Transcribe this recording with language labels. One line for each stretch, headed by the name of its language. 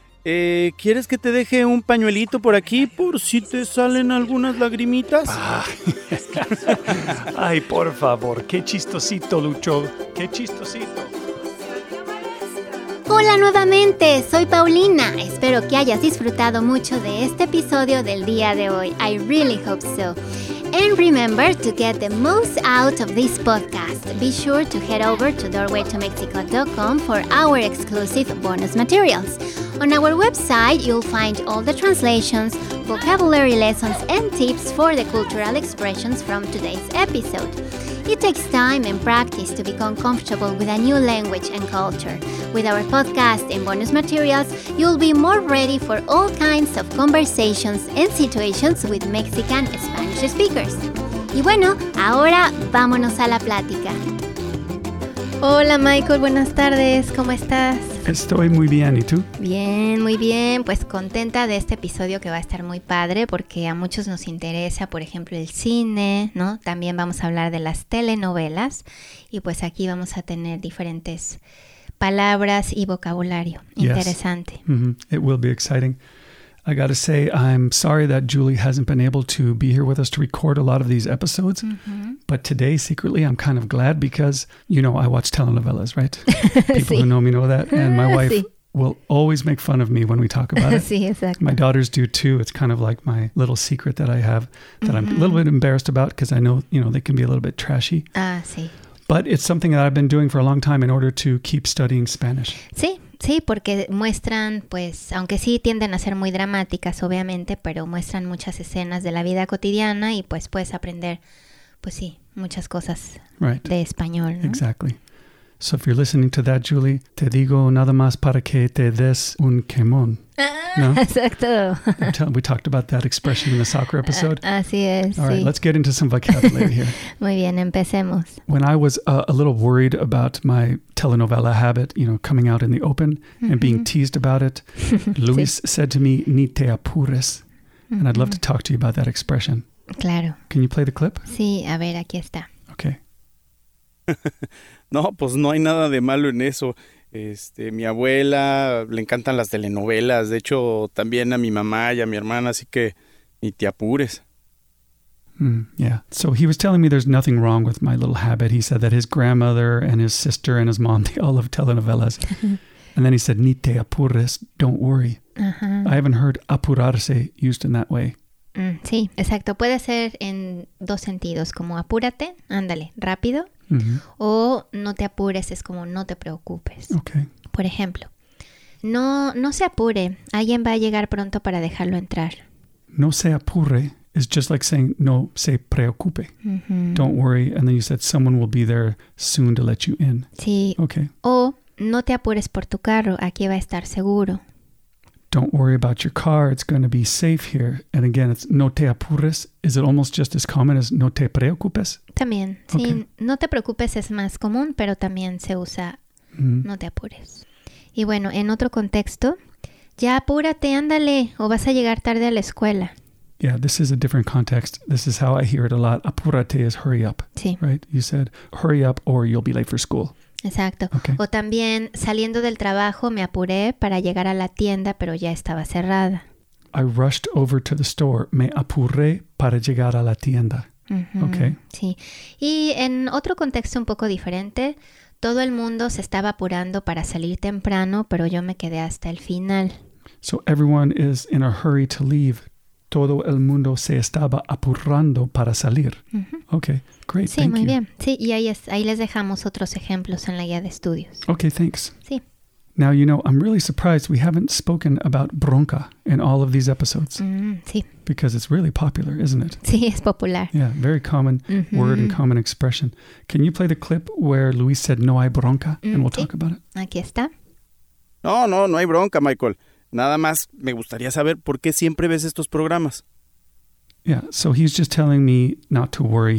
Spanish: ¿Quieres que te deje un pañuelito por aquí por si te salen algunas lagrimitas? Ay, por favor, qué chistosito, Lucho, qué chistosito. Hola nuevamente, soy Paulina. Espero que hayas disfrutado mucho de este episodio del día de hoy.
English: I really hope so. And remember, to get the most out of this podcast, be sure to head over to doorwaytomexico.com for our exclusive bonus materials. On our website, you'll find all the translations, vocabulary lessons, and tips for the cultural expressions from today's episode. It takes time and practice to become comfortable with a new language and culture. With our podcast and bonus materials, you'll be more ready for all kinds of conversations and situations with Mexican Spanish speakers.
Spanish: Y bueno, ahora vámonos a la plática. Hola Michael, buenas tardes, ¿cómo estás? Estoy muy bien, ¿y tú? Bien, muy bien, pues contenta de este episodio que va a estar muy padre porque a muchos nos interesa, por ejemplo, el cine, ¿no? También vamos a hablar de las telenovelas y pues aquí vamos a tener diferentes palabras y vocabulario. Interesante.
English: Yes. It will be exciting. I gotta say, I'm sorry that Julie hasn't been able to be here with us to record a lot of these episodes. Mm-hmm. But today, secretly, I'm kind of glad because, you know, I watch telenovelas, right? People
Spanish: sí.
English: who know me know that. And my wife sí. will always make fun of me when we talk about it.
Spanish: Sí,
English: exactly. My daughters do too. It's kind of like my little secret that I have that mm-hmm. I'm a little bit embarrassed about because I know, you know, they can be a little bit trashy.
Spanish: Ah, sí.
English: But it's something that I've been doing for a long time in order to keep studying Spanish.
Spanish: Sí. Sí, porque muestran, pues, aunque sí tienden a ser muy dramáticas, obviamente, pero muestran muchas escenas de la vida cotidiana y pues puedes aprender, pues sí, muchas cosas
English: right.
Spanish: de español, ¿no?
English: Exactly. So if you're listening to that, Julie,
Spanish: te digo nada más para que te des un quemón. No? Exacto.
English: We talked about that expression in the soccer episode.
Spanish: Así es.
English: All right, let's get into some vocabulary here.
Spanish: Muy bien, empecemos.
English: When I was a little worried about my telenovela habit, you know, coming out in the open mm-hmm. and being teased about it, Luis sí. said to me,
Spanish: ni te apures.
English: Mm-hmm. And I'd love to talk to you about that expression.
Spanish: Claro.
English: Can you play the clip?
Spanish: Sí, a ver, aquí está.
English: Okay.
Spanish: No, pues no hay nada de malo en eso. Mi abuela le encantan las telenovelas, de hecho también a mi mamá y a mi hermana, así que ni te apures.
English: Yeah. So he was telling me there's nothing wrong with my little habit. He said that his grandmother and his sister and his mom, they all love telenovelas. And then he said,
Spanish: ni te apures,
English: don't worry. I haven't heard apurarse used in that way.
Spanish: Sí, exacto. Puede ser en dos sentidos, como apúrate, ándale, rápido. O no te apures, es como no te preocupes.
English: Okay.
Spanish: Por ejemplo, no se apure, alguien va a llegar pronto para dejarlo entrar. No se apure
English: is just like saying
Spanish: no se preocupe.
English: Don't worry, and then you said someone will be there soon to let you in.
Spanish: Sí.
English: Okay.
Spanish: O no te apures por tu carro, aquí va a estar seguro.
English: Don't worry about your car, it's going to be safe here. And again, it's
Spanish: no te apures.
English: Is it almost just as common as
Spanish: no te preocupes? También.
English: Okay.
Spanish: Sí, no te preocupes es más común, pero también se usa no te apures. Y bueno, en otro contexto, ya apúrate, ándale, o vas a llegar tarde a la escuela.
English: Yeah, this is a different context. This is how I hear it a lot. Apúrate is hurry up.
Spanish: Sí.
English: Right? You said hurry up or you'll be late for school.
Spanish: Exacto.
English: Okay.
Spanish: O también, saliendo del trabajo, me apuré para llegar a la tienda, pero ya estaba cerrada.
English: I rushed over to the store.
Spanish: Me apuré para llegar a la tienda.
English: Okay.
Spanish: Sí. Y en otro contexto un poco diferente, todo el mundo se estaba apurando para salir temprano, pero yo me quedé hasta el final.
English: So everyone is in a hurry to leave.
Spanish: Todo el mundo se estaba apurando para salir.
English: Okay, great.
Spanish: Sí,
English: thank
Spanish: muy
English: you.
Spanish: Bien. Sí, y ahí les dejamos otros ejemplos en la guía de estudios.
English: Okay, thanks.
Spanish: Sí.
English: Now, you know, I'm really surprised we haven't spoken about bronca in all of these episodes.
Spanish: Sí.
English: Because it's really popular, isn't it?
Spanish: Sí, es popular.
English: Yeah, very common word and common expression. Can you play the clip where Luis said,
Spanish: no hay bronca,
English: and we'll talk about it?
Spanish: Aquí está. No hay bronca, Michael. Nada más, me gustaría saber por qué siempre ves estos programas.
English: Yeah, so he's just telling me not to worry.